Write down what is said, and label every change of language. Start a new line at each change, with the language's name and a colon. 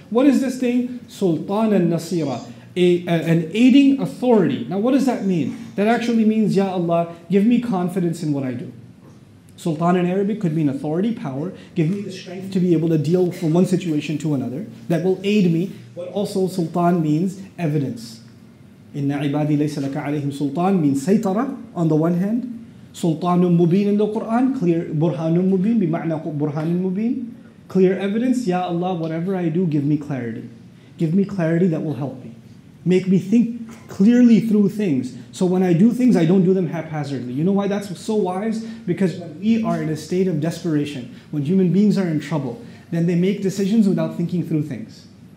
English: What is this thing?
Arabic: سُلْطَانًا نَصِيرًا.
English: An aiding authority. Now what does that mean? That actually means, Ya Allah, give me confidence in what I do. Sultan in Arabic could mean authority, power. Give me the strength to be able to deal from one situation to another. That will aid me. But also Sultan means evidence.
Arabic: إِنَّ عِبَادِي لَيْسَ لَكَ عَلَيْهِمْ سُلْطَانٌ
English: means
Arabic: سَيْطَرَ
English: on the one hand.
Arabic: سُلْطَانٌ مُبِينٌ in the Qur'an.
English: Clear
Arabic: بُرْهَانٌ مُبِينٌ بِمَعْنَى بُرْهَانٌ مُبِينٌ.
English: Clear evidence. Ya Allah, whatever I do, give me clarity. Give me clarity that will help me. Make me think clearly through things. So when I do things, I don't do them haphazardly. You know why that's so wise? Because when we are in a state of desperation, when human beings are in trouble, then they make decisions without thinking through things.